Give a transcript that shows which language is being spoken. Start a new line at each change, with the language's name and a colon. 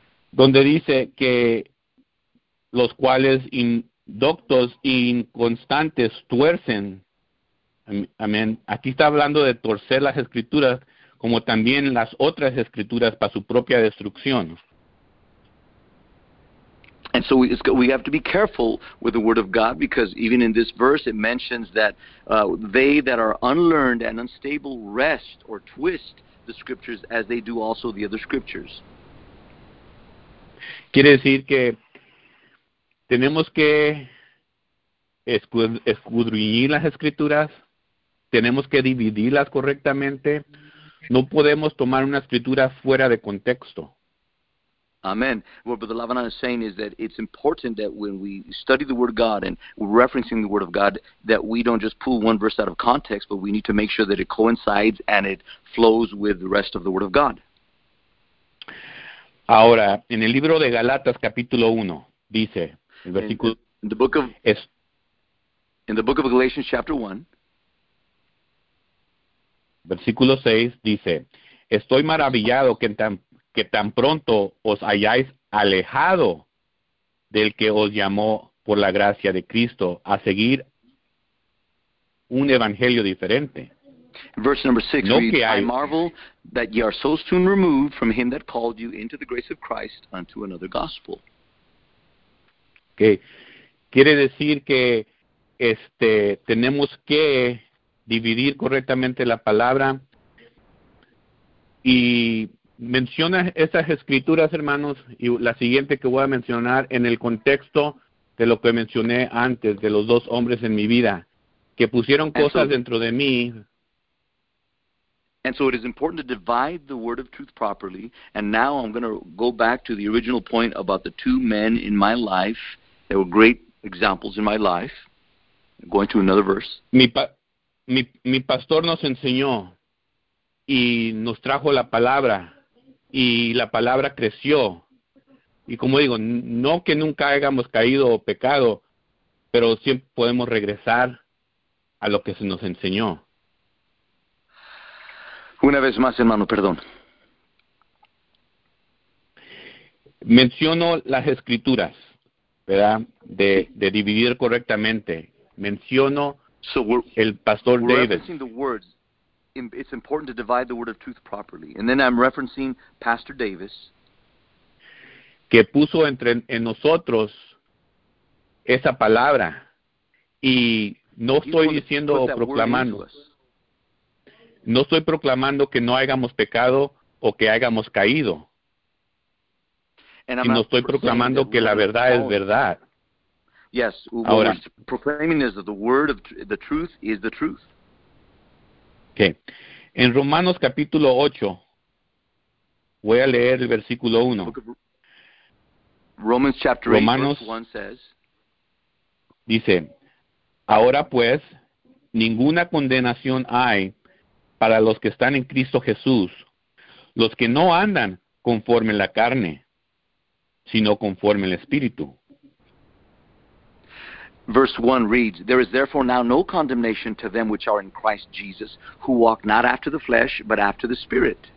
Spanish: Donde dice que los cuales indoctos e inconstantes tuercen. Amén. Aquí está hablando de torcer las escrituras, como también las otras escrituras para su propia destrucción.
English: And so we have to be careful with the word of God, because even in this verse it mentions that they that are unlearned and unstable wrest or twist the scriptures as they do also the other scriptures.
Spanish: Quiere decir que tenemos que escudriñar las escrituras, tenemos que dividirlas correctamente. No podemos tomar una escritura fuera de contexto.
English: Amen. What Brother Lavana is saying is that it's important that when we study the Word of God and referencing the Word of God, that we don't just pull one verse out of context, but we need to make sure that it coincides and it flows with the rest of the Word of God.
Spanish: Ahora, en el libro de Galatas, capítulo 1, dice, el versículo...
English: In the book of Galatians, chapter 1,
Spanish: versículo 6 dice, estoy maravillado que tan pronto os hayáis alejado del que os llamó por la gracia de Cristo a seguir un evangelio diferente.
English: Verse number 6 no reads, I marvel that ye are so soon removed from him that called you into the grace of Christ unto another gospel. Okay.
Spanish: Quiere decir que tenemos que dividir correctamente la palabra. Y menciona esas escrituras, hermanos, y la siguiente que voy a mencionar en el contexto de lo que mencioné antes, de los dos hombres en mi vida, que pusieron cosas dentro de mí.
English: And so it is important to divide the word of truth properly, and now I'm going to go back to the original point about the two men in my life that were great examples in my life. I'm going to another verse.
Spanish: Mi pastor nos enseñó y nos trajo la palabra y la palabra creció. Y como digo, no que nunca hayamos caído o pecado, pero siempre podemos regresar a lo que se nos enseñó. Una vez más, hermano, perdón. Menciono las escrituras, ¿verdad? De dividir correctamente. Menciono...
English: So we're referencing the words. It's important to divide the word of truth properly. And then I'm referencing Pastor Davis.
Spanish: Que puso entre nosotros esa palabra. Y no estoy diciendo o proclamando. No estoy proclamando que no hayamos pecado o que hayamos caído.
English: And
Spanish: no estoy proclamando que la verdad es verdad.
English: Yes, what
Spanish: ahora,
English: we're proclaiming is that the word of the truth is the truth. Okay.
Spanish: En Romanos capítulo 8, voy a leer el versículo 1.
English: Romans chapter 8,
Spanish: Romanos,
English: verse 1 says,
Spanish: dice, ahora pues, ninguna condenación hay para los que están en Cristo Jesús, los que no andan conforme la carne, sino conforme el Espíritu.
English: Verse 1 reads, there is therefore now no condemnation to them which are in Christ Jesus, who walk not after the flesh, but after the Spirit.